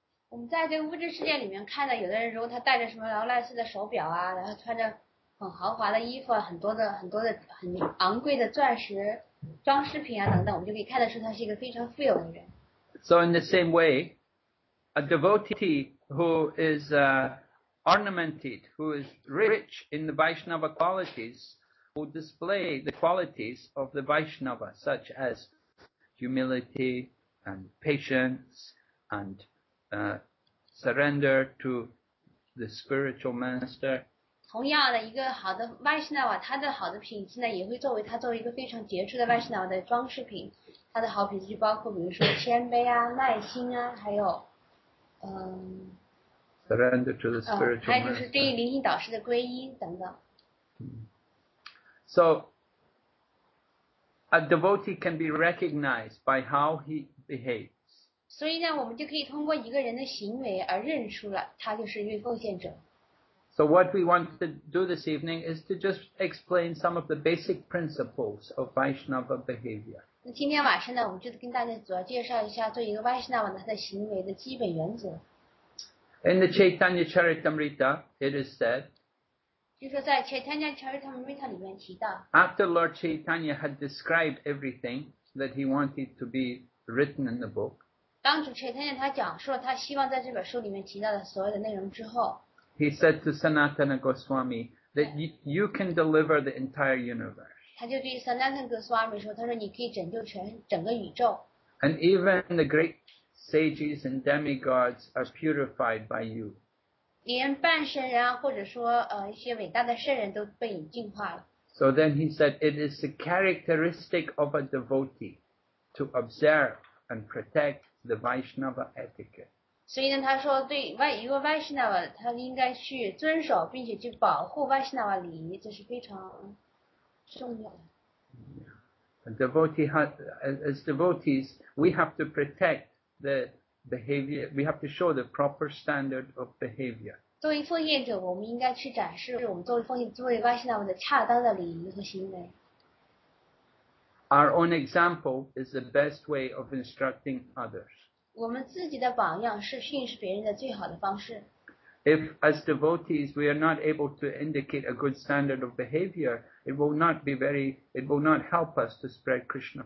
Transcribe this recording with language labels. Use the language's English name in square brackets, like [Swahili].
[Chinese] 我们在这个物质世界里面看到，有的人如果他戴着什么劳力士的手表啊，然后穿着很豪华的衣服，很多的很昂贵的钻石装饰品啊等等，我们就可以看得出他是一个非常富有的人。 [English] So in the same way, a devotee who is ornamented, who is rich in the Vaishnava qualities, will display the qualities of the Vaishnava, such as humility and patience andsurrender to the spiritual master. [Chinese] 同样的，一个好的 Vaishnava， 他的好的品质呢，也会作为他作为一个非常杰出的 Vaishnava 的装饰品。他的好品质就包括，比如说谦卑啊、耐心啊，还有 [English] surrender to the spiritual master， [Chinese] 还有就是对于灵性导师的皈依等等。 [English] So a devotee can be recognized by how he behaves. [Chinese] 所以呢，我们就可以通过一个人的行为而认出了他就是一位奉献者。 [English] So what we want to do this evening is to just explain some of the basic principles of Vaishnava behavior. [Chinese] 那今天晚上呢，我们就跟大家主要介绍一下做一个 Vaishnava 他的行为的基本原则。 [English] In the Chaitanya Charitamrita, it is said. [Chinese] 就说在 Chaitanya Charitamrita 里面提到。 [English] After Lord Chaitanya had described everything that he wanted to be written in the book. [Chinese] 当主持人他讲述了他希望在这本书里面提到的所有的内容之后 [English] He said to Sanatana Goswami that you can deliver the entire universe. [Chinese] 他就对 Sanatana Goswami 说，他说你可以拯救整个宇宙。 [English] And even the great sages and demigods are purified by you. [Chinese] 连半神人啊，或者说一些伟大的圣人都被你净化了。 [English] So then he said it is the characteristic of a devotee to observe and protect. The Vaishnava etiquette. [Chinese] 所以呢，他说对一个 Vaishnava， 他应该去遵守并且去保护 Vaishnava 礼仪，这是非常重要的。 [English] A devotee as devotees, we have to protect the behavior. We have to show the proper standard of behavior. [Chinese] 作为奉献者，我们应该去展示我们作为 Vaishnava 的恰当的礼仪和行为。 [English] Our own example is the best way of instructing others. [Chinese] 我们自己的榜样是训示别人的最好的方式。 [English] If as devotees we are not able to indicate a good standard of behavior, it will not help us to spread Krishna